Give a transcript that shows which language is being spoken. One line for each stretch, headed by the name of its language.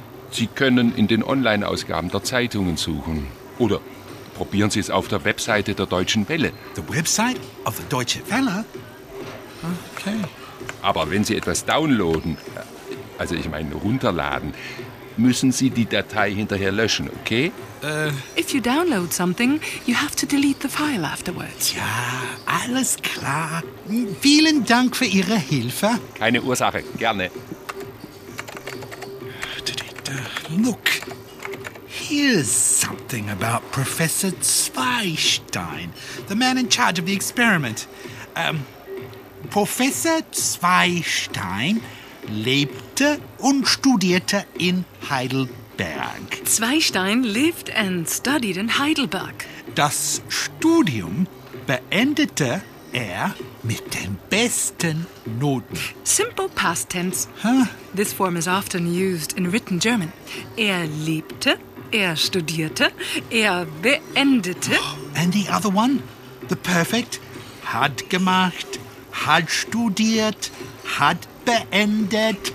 German: Sie können in den Online-Ausgaben der Zeitungen suchen. Oder probieren Sie es auf der Webseite der Deutschen Welle.
English: The website of the Deutsche Welle? Okay.
German: Aber wenn Sie etwas downloaden, also ich meine runterladen, müssen Sie die Datei hinterher löschen, okay?
English: If you download something, you have to delete the file afterwards.
German: Ja, alles klar. Vielen Dank für Ihre Hilfe. Keine Ursache, gerne.
English: Look, here's something about Professor Zweistein, the man in charge of the experiment.
German: Professor Zweistein lebte und studierte in Heidelberg.
English: Zweistein lived and studied in Heidelberg.
German: Das Studium beendete er mit den besten Noten.
English: Simple past tense. Huh? This form is often used in written German.
German: Er lebte, er studierte, er beendete.
English: Oh, and the other one? The perfect?
German: Hat gemacht, hat studiert, hat beendet.